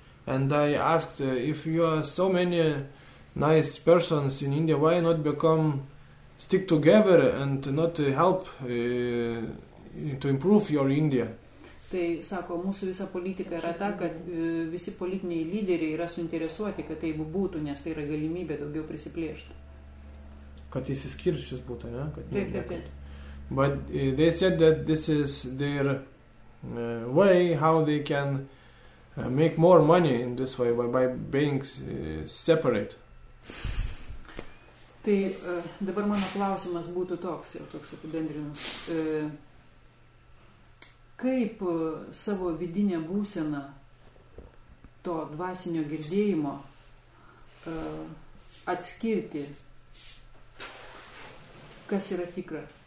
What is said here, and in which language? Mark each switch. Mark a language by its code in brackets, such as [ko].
[en] And I asked if you are so many nice persons in India, why not become stick together and not help to improve your India. [lt] Tai sako, mūsų visa politika yra ta, kad visi politiniai lyderiai yra suinteresuoti, kad tai būtų, nes tai yra galimybė daugiau prisiplėšti. Kad jis įskirščius būtų, ne? Kad taip, taip, taip. [en] But they said that this is their way how they can make more money in this way by being separate. [lt] Tai dabar mano klausimas būtų toks, jau toks apibendrinus. Kaip savo vidinę būseną to dvasinio girdėjimo atskirti, kas yra tikra?